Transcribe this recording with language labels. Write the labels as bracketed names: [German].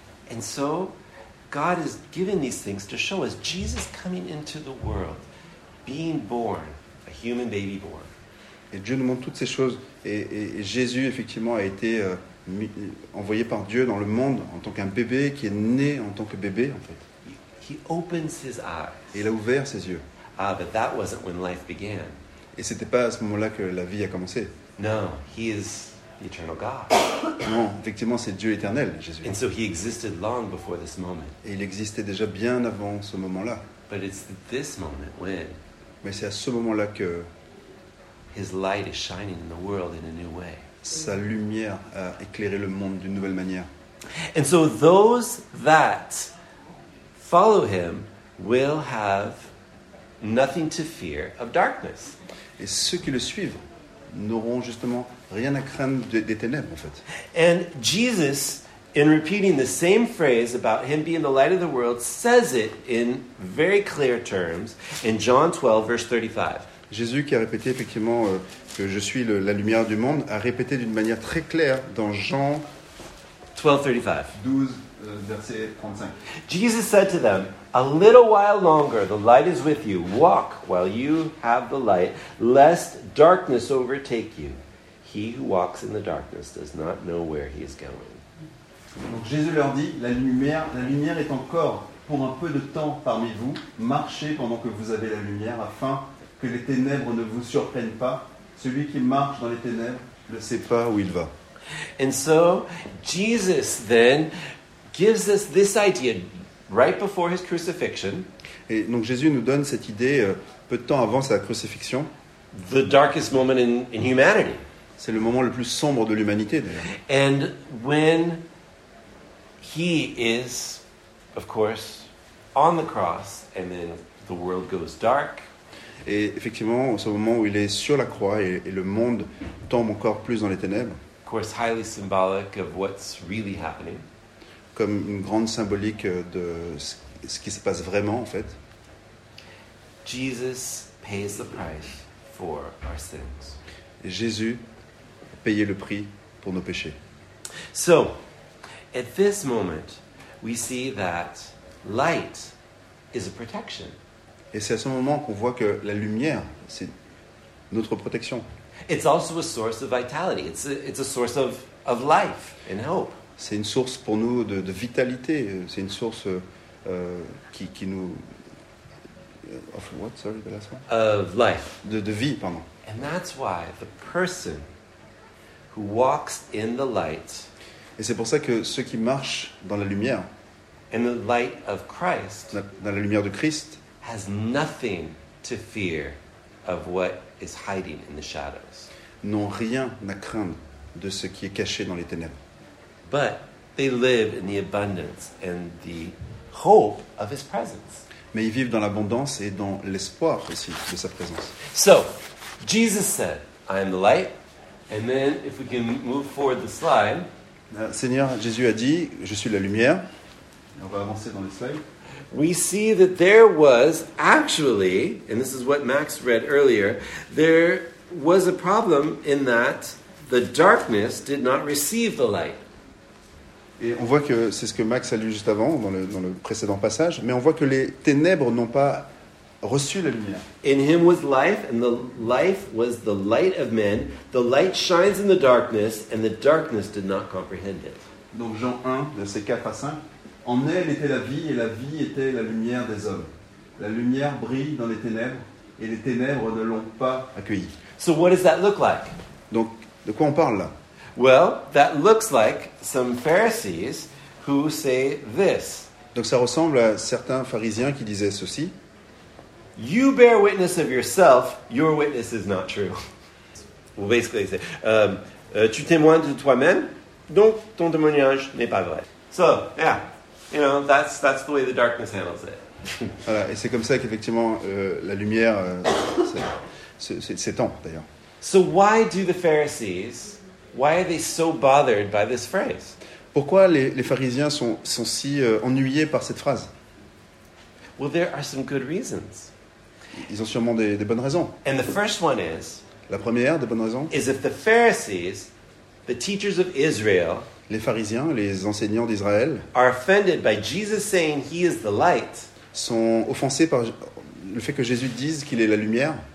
[English] And so God is giving these things to show us Jesus coming into the world, being born, a human baby born. [French] Et Dieu nous montre toutes ces choses et Jésus effectivement a été envoyé par Dieu dans le monde en tant qu'un bébé qui est né en tant que bébé en fait. [English] He opens his eyes. [French] Et il a ouvert ses yeux. [English] Ah, but that wasn't when life began. [French] Et c'était pas à ce moment-là que la vie a commencé. [English] No, he is the eternal God. [French] Non, effectivement, c'est Dieu éternel, Jésus. [English] And so he existed long before this moment. [French] Et il existait déjà bien avant ce moment-là. [English] But it's this moment when. [French] Mais c'est à ce moment-là que. [English] His light is shining in the world in a new way. [French] Sa lumière a éclairé le monde d'une nouvelle manière. [English] And so those that follow him will have nothing to fear of darkness. [French] Et ceux qui le suivent n'auront justement rien à craindre des ténèbres, en fait. [English] And Jesus, in repeating the same phrase about him being the light of the world, says it in very clear terms in John 12, verse 35. [French] Jésus, qui a répété effectivement que je suis la lumière du monde, a répété d'une manière très claire dans Jean 12, verset 35. [English] Jesus said to them, a little while longer, the light is with you. Walk while you have the light, lest darkness overtake you. He who walks in the darkness does not know where he is going. [French] Donc Jésus leur dit, la lumière est encore pour un peu de temps parmi vous. Marchez pendant que vous avez la lumière, afin que les ténèbres ne vous surprennent pas. Celui qui marche dans les ténèbres ne sait pas où il va. [English] And so, Jesus then gives us this idea right before his crucifixion. [French] Et donc Jésus nous donne cette idée peu de temps avant sa crucifixion. [English] The darkest moment in humanity. [French] C'est le moment le plus sombre de l'humanité d'ailleurs. [English] And when he is, of course, on the cross, and then the world goes dark. [French] Et effectivement, au moment où il est sur la croix et le monde tombe encore plus dans les ténèbres. [English] Of course, highly symbolic of what's really happening. [French] Comme une grande symbolique de ce qui se passe vraiment, en fait. [English] Jesus pays the price for our sins. [French] Et Jésus a payé le prix pour nos péchés. [English] So, at this moment, we see that light is a protection. [French] Et c'est à ce moment qu'on voit que la lumière, c'est notre protection. [English] It's also a source of vitality. It's a source of life and hope. [French] C'est une source pour nous de vitalité. C'est une source qui nous [English] of what, sorry, the last one? Of life. [French] De vie, pardon. [English] And that's why the person who walks in the light. [French] Et c'est pour ça que ceux qui marchent dans la lumière [English] in the light of Christ, [French] dans la lumière de Christ, [English] has nothing to fear of what is hiding in the shadows. [French] N'ont rien à craindre de ce qui est caché dans les ténèbres. [English] But they live in the abundance and the hope of his presence. [French] Mais ils vivent dans l'abondance et dans l'espoir aussi de sa présence. [English] So, Jesus said, I am the light. And then, if we can move forward the slide. [French] Seigneur, Jésus a dit, je suis la lumière. Et on va avancer dans le slide. [English] We see that there was actually, and this is what Max read earlier, there was a problem in that the darkness did not receive the light. [French] Et on voit que c'est ce que Max a lu juste avant, dans le précédent passage, mais on voit que les ténèbres n'ont pas reçu la lumière. [English] In him was life, and the life was the light of men. The light shines in the darkness, and the darkness did not comprehend it. [French] Donc Jean 1, versets 4 à 5. En elle était la vie, et la vie était la lumière des hommes. La lumière brille dans les ténèbres, et les ténèbres ne l'ont pas accueillie. [English] So what does that look like? [French] Donc, de quoi on parle là? [English] Well, that looks like some Pharisees who say this. [French] Donc ça ressemble à certains pharisiens qui disaient ceci. [English] You bear witness of yourself, your witness is not true. Well, basically they say, [French] tu témoignes de toi-même, donc ton témoignage n'est pas vrai. [English] So, yeah, you know, that's the way the darkness handles it. [French] Voilà, et c'est comme ça qu'effectivement la lumière s'étend d'ailleurs. [English] So why do the Pharisees... Why are they so bothered by this phrase? [French] Pourquoi les pharisiens sont si ennuyés par cette phrase? [English] Well, there are some good reasons. [French] Ils ont sûrement des bonnes raisons. [English] And the first one is, [French] la première des bonnes raisons, [English] is if the Pharisees, the teachers of Israel, [French] les pharisiens, les enseignants d'Israël, [English] are offended by Jesus saying he is the light, [French] sont offensés par le fait que Jésus dise qu'il est la lumière.